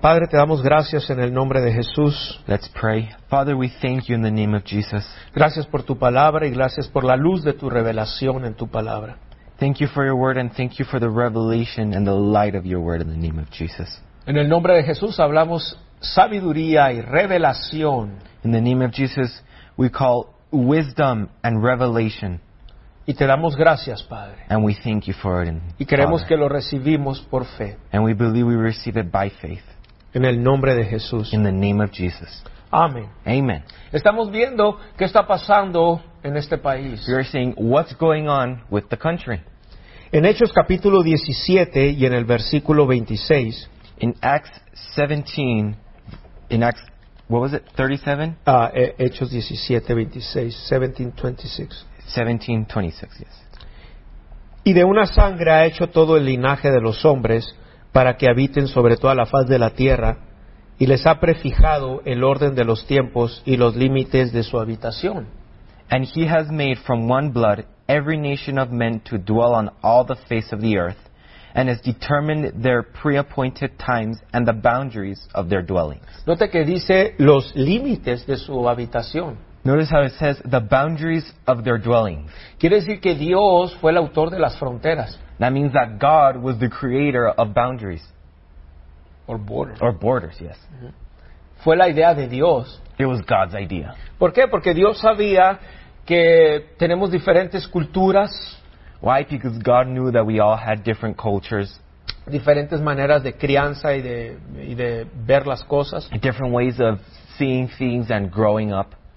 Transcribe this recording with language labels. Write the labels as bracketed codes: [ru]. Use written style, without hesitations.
[es] Padre, te damos gracias en el nombre de Jesús. [en] Let's pray. Father, we thank you in the name of Jesus. [es] Gracias por tu palabra y gracias por la luz de tu revelación en tu palabra. [en] Thank you for your word and thank you for the revelation and the light of your word in the name of Jesus. [es] En el nombre de Jesús hablamos sabiduría y revelación. [en] In the name of Jesus, we call wisdom and revelation. [es] Y te damos gracias, Padre. [en] And we thank you for it. And [es] y creemos [en] Father, [es] que lo recibimos por fe. [en] And we believe we receive it by faith. [es] En el nombre de Jesús. [en] In the name of Jesus. Amen. Amen. [es] Estamos viendo qué está pasando en este país. [en] We are seeing what's going on with the country. [es] En Hechos capítulo 17 y en el versículo 26. [en] In Acts 17, in Acts, what was it, 37? [es] Hechos 17, 26, 17, 26. 17:26, [en] yes. [es] Y de una sangre ha hecho todo el linaje de los hombres para que habiten sobre toda la faz de la tierra, y les ha prefijado el orden de los tiempos y los límites de su habitación. [en] And he has made from one blood every nation of men to dwell on all the face of the earth, and has determined their preappointed times and the boundaries of their dwellings. [es] Note que dice los límites de su habitación. [en] Notice how it says the boundaries of their dwellings. [es] Quiere decir que Dios fue el autor de las fronteras. [en] That means that God was the creator of boundaries. Or borders. Or borders, yes. [es] Mm-hmm. Fue la idea de Dios. [en] It was God's idea. [es] ¿Por qué? Porque Dios sabía que tenemos diferentes culturas. [en] Why? Because God knew that we all had different cultures. [es] Diferentes maneras de crianza y de ver las cosas. [en] Different ways of seeing things and growing up.